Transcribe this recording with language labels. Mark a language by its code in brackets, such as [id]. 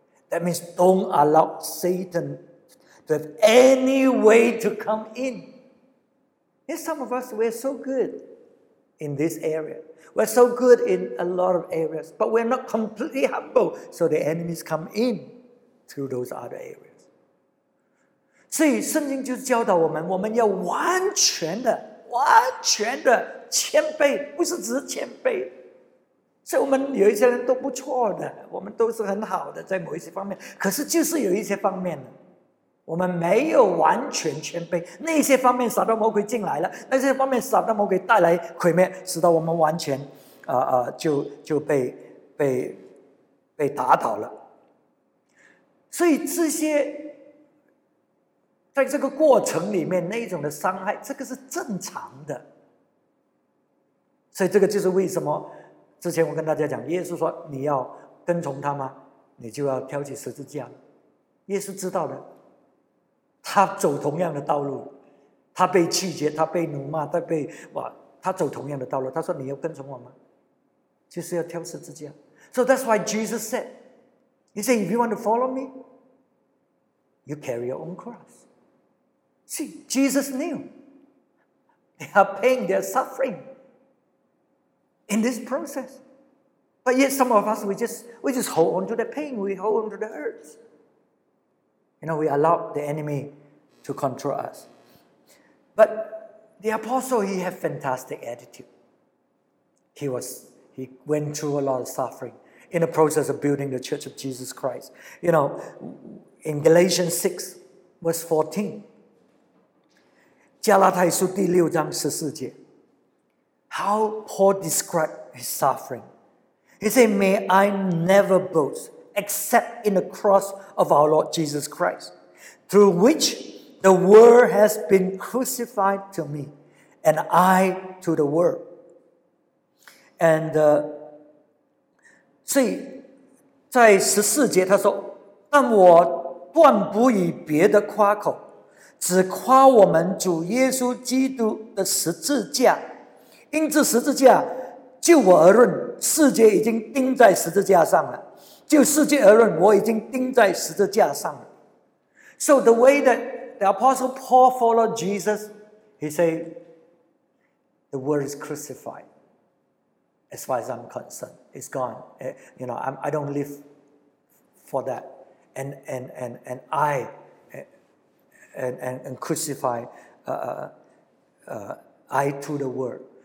[en] That means don't allow Satan to have any way to come in. Here's some of us, we're so good in this area. We're so good in a lot of areas, but we're not completely humble. So the enemies come in through those other areas. [zh] 所以圣经就教导我们，我们要完全的，完全的谦卑，不是只是谦卑。所以我们有一些人都不错的，我们都是很好的在某一些方面，可是就是有一些方面我们没有完全谦卑，那些方面撒旦魔鬼进来了，那些方面撒旦魔鬼带来毁灭，使得我们完全就被打倒了。所以这些在这个过程里面那一种的伤害，这个是正常的。所以这个就是为什么之前我跟大家讲，耶稣说你要跟从他吗，你就要挑起十字架。耶稣知道的，他走同样的道路，他被拒绝，他被辱骂，他走同样的道路，他说你要跟从我吗，就是要挑十字架。 [en] So that's why Jesus said, He said, if you want to follow me, you carry your own cross. See, Jesus knew they are pain, they are sufferingin this process. But yet some of us, we just hold on to the pain, we hold on to the hurts. You know, we allow the enemy to control us. But the apostle, he had fantastic attitude. He went through a lot of suffering in the process of building the church of Jesus Christ. You know, in Galatians 6, verse 14, [zh] 加拉太书第六章十四节, [en] how Paul described his suffering. He said, may I never boast except in the cross of our Lord Jesus Christ, through which the world has been crucified to me and I to the world. And 所以在十四节他说，但我断不以别的夸口，只夸我们主耶稣基督的十字架。因这十字架，就我而论，世界已经钉在十字架上了。就世界而论，我已经钉在十字架上了。 So the way that the Apostle Paul followed Jesus, he said, the word is crucified. As far as I'm concerned, it's gone. You know, I don't live for that. And crucify I to the word.